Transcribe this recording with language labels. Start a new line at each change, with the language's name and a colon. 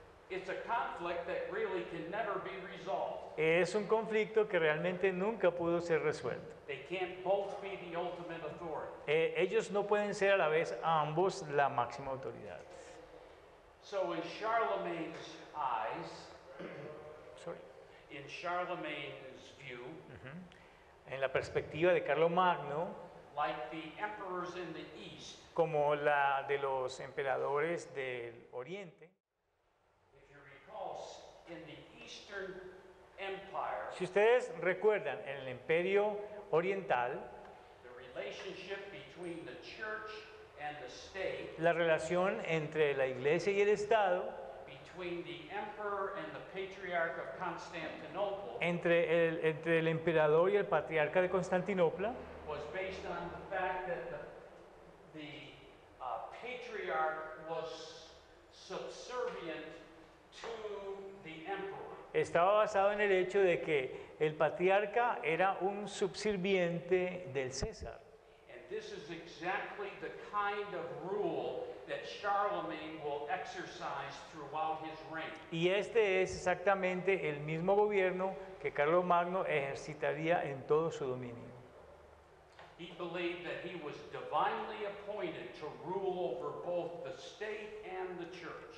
English: It's a conflict that really can never be resolved.
Spanish: Es un conflicto que realmente nunca pudo ser resuelto.
English: They can't both be the ultimate authority.
Spanish: Ellos no pueden ser a la vez ambos la máxima autoridad.
English: So in Charlemagne's eyes, sorry, in Charlemagne's view,
Spanish: en la perspectiva de Carlomagno,
English: like the emperors in the east,
Spanish: como la de los emperadores del oriente.
English: If you recall, in the Eastern Empire,
Spanish: si ustedes recuerdan, en el imperio oriental,
English: the relationship between the church and the state,
Spanish: la relación entre la iglesia y el estado,
English: between the emperor and the patriarch of Constantinople,
Spanish: entre el emperador y el patriarca de Constantinopla,
English: was based on the fact that the patriarch was subservient to the emperor.
Spanish: estaba basado en el hecho de que el patriarca era un subserviente del César.
English: And this is exactly the kind of rule that Charlemagne will exercise throughout his reign.
Spanish: Y este es exactamente el mismo gobierno que Carlos Magno ejercitaría en todo su dominio.
English: He believed that he was divinely appointed to rule over both the state and the church.